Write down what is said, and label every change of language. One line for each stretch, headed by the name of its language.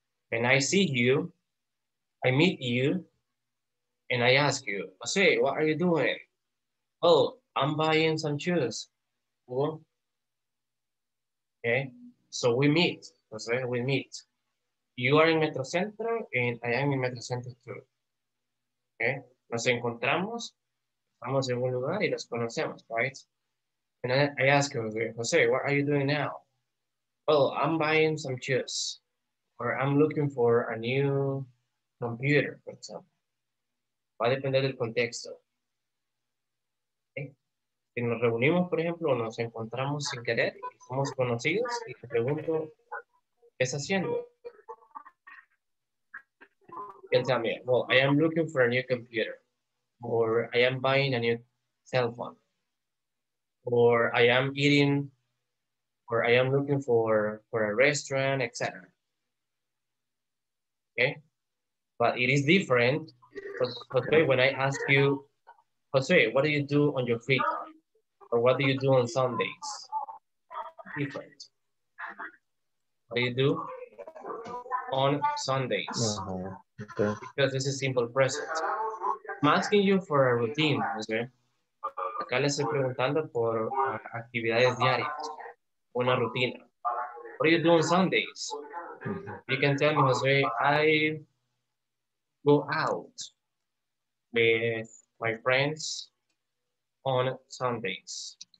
English: And I see you, I meet you, and I ask you, Jose, what are you doing? Well, I'm buying some shoes. Well, okay, so we meet, Jose, we meet. You are in Metro Center, and I am in Metro Center too, okay?
Spanish: Nos encontramos, estamos en un lugar y los conocemos, right?
English: And I ask him, Jose, what are you doing now? Well, I'm buying some chips, or I'm looking for a new computer, for example.
Spanish: Va a depender del contexto. Okay? Si nos reunimos, por ejemplo, nos encontramos sin querer, somos conocidos, y te pregunto, ¿qué estás haciendo?
English: Can tell me, well, I am looking for a new computer. Or I am buying a new cell phone. Or I am eating, or I am looking for a restaurant, etc. Okay? But it is different, Jose, when I ask you, Jose, what do you do on your free time? Or what do you do on Sundays? Different. What do you do on Sundays? Okay. Because this is simple present. I'm asking you for a routine, Jose.
Spanish: Acá les estoy preguntando por actividades diarias, una rutina.
English: What do you do on Sundays? You can tell me, Jose, I go out with my friends on Sundays.